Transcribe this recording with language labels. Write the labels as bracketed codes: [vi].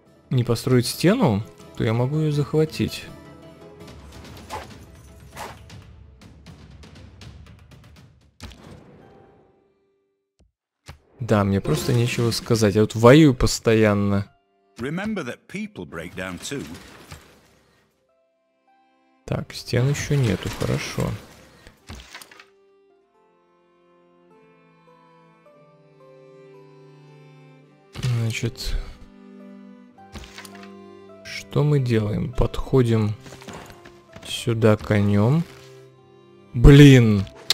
[ru] Не построит стену, то я могу ее захватить. Да, мне просто нечего сказать. Я вот воюю постоянно. [en] Remember that people break down too. [ru] Так, стен еще нету, хорошо. Значит, что мы делаем? Подходим сюда конем. Блин!